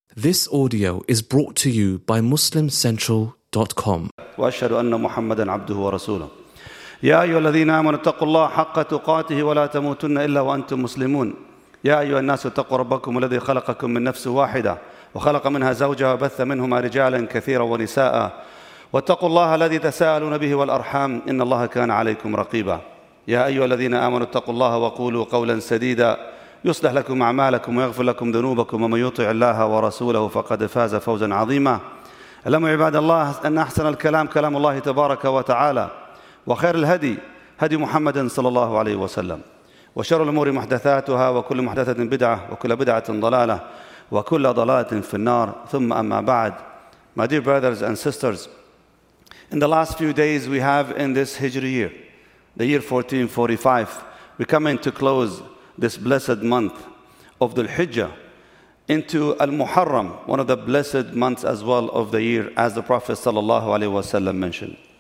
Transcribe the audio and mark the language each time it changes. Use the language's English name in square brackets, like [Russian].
[English] This audio is brought to you by MuslimCentral.com. [Arabic] وأشهد أن محمدا عبده ورسوله. يا أيها الذين آمنوا اتقوا الله حق تقاته ولا تموتن إلا وأنتم مسلمون. يا أيها الناس اتقوا ربكم الذي خلقكم من نفس واحدة وخلق منها زوجها وبث منهما رجالا كثيرا ونساء. واتقوا الله الذي تساءلون به والأرحام إن الله كان عليكم رقيبا. يا أيها الذين آمنوا اتقوا الله وقولوا قولا سديدا. يصلح لكم أعمالكم ويغفر لكم ذنوبكم ومن يطع الله ورسوله فقد فاز فوزا عظيما. اعلموا عباد الله أن أحسن الكلام كلام الله تبارك وتعالى وخير الهدي هدي محمد صلى الله عليه وسلم وشر الأمور محدثاتها وكل محدثة بدعة وكل بدعة ضلالة وكل ضلالة في النار. ثم أما بعد, [English] my dear brothers and sisters, in the last few days we have in this Hijri year, the year 1445, we come into close this blessed month of Dhul Hijjah into Al-Muharram, one of the blessed months as well of the year, as the Prophet sallallahu alaihi wasallam mentioned.